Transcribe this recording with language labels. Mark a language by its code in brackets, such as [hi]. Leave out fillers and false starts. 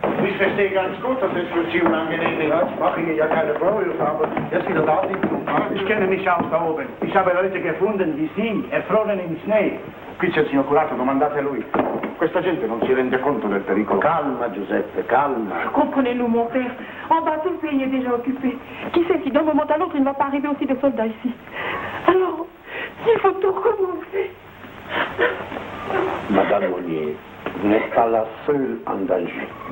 [de] Mi se sei ganz gut, das ist für Sie unangenehm. Ja, ich mache Ihnen ja keine Probleme, aber jetzt ist er da, die Kumpel. Ich kenne mich aus da oben. Ich habe Leute gefunden, die sind erfroren im Schnee. [it] Qui c'è il signor curato, domandate a lui. Questa gente non si rende conto del pericolo. Calma, Giuseppe, calma. [fr] Comprenez-nous, mon père. En bas, tout le pays est déjà occupé. Qui sait si d'un moment à l'autre, il ne va pas arriver aussi de soldats ici. Alors, il faut tout recommencer. Madame Monnier, vous n'êtes pas la seule en danger.